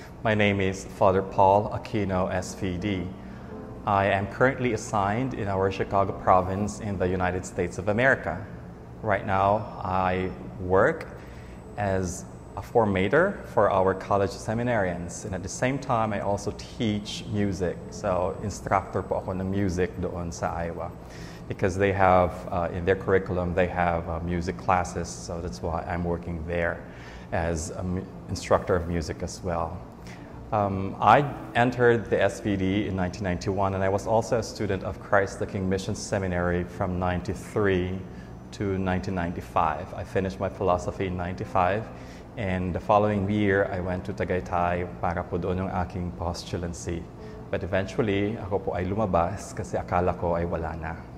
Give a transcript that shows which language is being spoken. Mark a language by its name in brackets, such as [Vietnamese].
[English] My name is Father Paul Aquino, SVD. I am currently assigned in our Chicago province in the United States of America. Right now, I work as a formator for our college seminarians. And at the same time, I also teach music. [Filipino] So, instructor po ako ng music doon sa Iowa. [English] Because they have, in their curriculum, they have music classes. So that's why I'm working there as an instructor of music as well. I entered the SVD in 1991, and I was also a student of Christ the King Mission Seminary from 93 to 1995. I finished my philosophy in 95, and the following year, I went to Tagaytay [Filipino] para po doon yung aking postulancy. But eventually, ako po ay lumabas kasi akala ko ay wala na.